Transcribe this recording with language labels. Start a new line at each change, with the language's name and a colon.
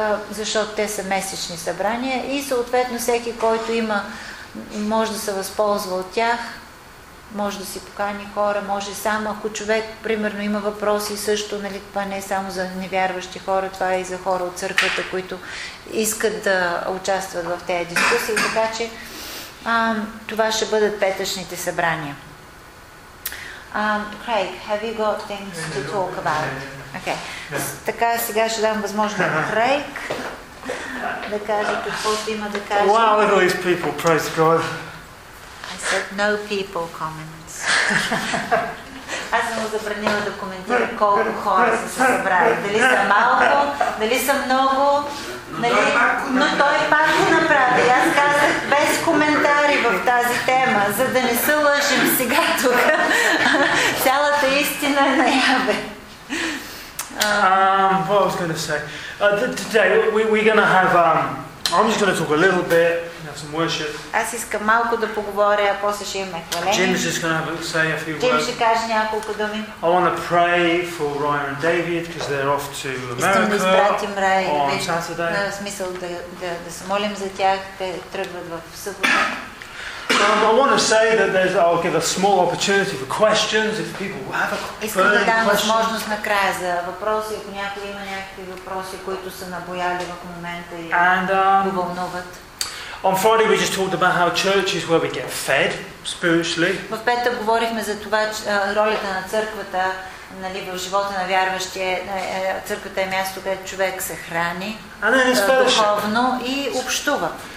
Bulgarian: Защото те са месечни събрания и съответно всеки, който има, може да се възползва от тях, може да си покани хора, може само ако човек, примерно, има въпроси също, нали, това не е само за невярващи хора, това е и за хора от църквата, които искат да участват в тези дискусии, така че това ще бъдат петъчните събрания.
English: Craig, have you got things to talk about? Okay.
Bulgarian: Така, сега ще дам възможност на Craig да каже каквото има да каже.
English: Wow, look at these people, praise God. I said no people comments.
Bulgarian: Аз съм забранила да коментирам колко хора са се събрали. Дали са малко, дали са много, дали... Но той пак го направи. Аз казах без коментари в тази тема, за да не се лъжим сега тук. Цялата истина е наяве.
English: What I was going to say. Today we're going to have. I'm just going to talk a little bit. Have some worship.
Bulgarian: Аз искам малко да поговоря, а после ще имаме хваление.
English: Jim's just going to have a say a few words.
Bulgarian: Jim ще каже няколко думи.
English: I want to pray for Ryan and David because they're off to America.
Bulgarian: Искам да изпратим Рай и Бет. На смисъл да се молим за тях. Те тръгват в събота.
English: I want to say that I'll give a small opportunity for questions if people have a question.
Bulgarian: Искам да дам възможност на края за въпроси, ако някой има някакви въпроси, които са набояли в момента и го вълнуват.
English: On Friday we just talked about how church is where we get fed spiritually.
Bulgarian: В петък говорихме за това, ролята на църквата, нали, в живота на вярващия, църквата е място, където човек се храни духовно и общува.